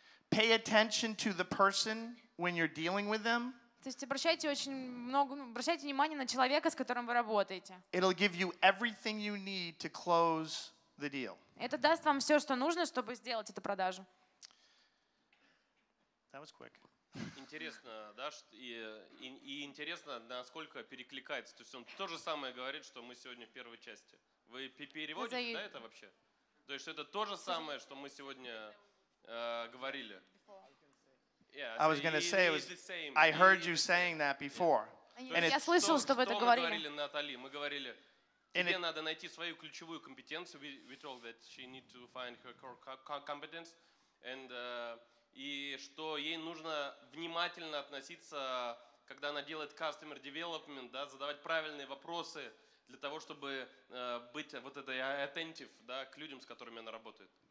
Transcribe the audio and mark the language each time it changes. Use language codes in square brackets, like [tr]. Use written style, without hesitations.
[en] Pay attention to the person when you're dealing with them. [ru] То есть обращайте очень много, обращайте внимание на человека, с которым вы работаете. [en] It'll give you everything you need to close the deal. [ru] Это даст вам все, что нужно, чтобы сделать эту продажу. [en] That was quick. [ru] Интересно, да, и интересно, насколько перекликается. То есть он то же самое говорит, что мы сегодня в первой части. Вы переводите, да, это вообще? То есть это то же самое, что мы сегодня говорили. [en] Yeah, I was going to say, I heard you saying that before. [ru] Я слышал, что вы это говорили. Мы говорили, Натали, мы говорили, тебе надо найти свою ключевую компетенцию. [en] We told that she needs to find her core competence. [ru] And и что ей нужно внимательно относиться, когда она делает customer development, да, задавать правильные вопросы для того, чтобы быть вот этой attentive, да, к людям, с которыми она работает.